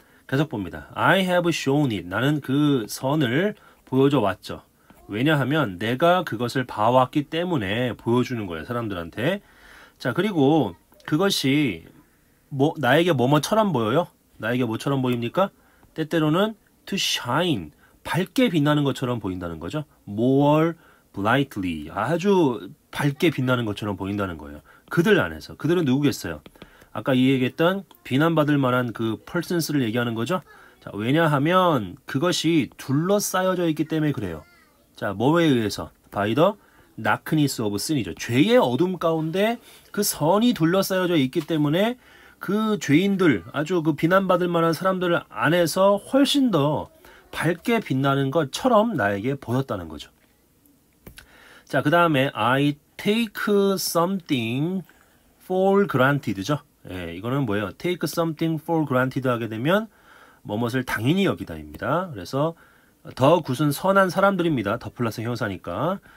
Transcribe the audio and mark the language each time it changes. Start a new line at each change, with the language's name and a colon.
Korean: 계속 봅니다.
English: I have shown it.
Korean: 나는 그 선을 보여줘 왔죠. 왜냐하면 내가 그것을 봐왔기 때문에 보여주는 거예요. 사람들한테. 자, 그리고 그것이 뭐 나에게 뭐뭐처럼 보여요? 나에게 뭐처럼 보입니까? 때때로는
English: to shine.
Korean: 밝게 빛나는 것처럼 보인다는 거죠.
English: More brightly.
Korean: 아주 밝게 빛나는 것처럼 보인다는 거예요. 그들 안에서. 그들은 누구겠어요? 아까 얘기했던 비난받을 만한 그 persons를 얘기하는 거죠. 자, 왜냐하면 그것이 둘러싸여져 있기 때문에 그래요. 자, 뭐에 의해서?
English: By the darkness of sin
Korean: 이죠. 죄의 어둠 가운데 그 선이 둘러싸여져 있기 때문에 그 죄인들, 아주 그 비난받을 만한 사람들 안에서 훨씬 더 밝게 빛나는 것처럼 나에게 보였다는 거죠. 자, 그 다음에
English: I take something for granted죠.
Korean: 예, 이거는 뭐예요?
English: Take something for granted
Korean: 하게 되면 뭐뭇을 당연히 여기다입니다. 그래서 더 굳은 선한 사람들입니다. 더 플러스 형사니까.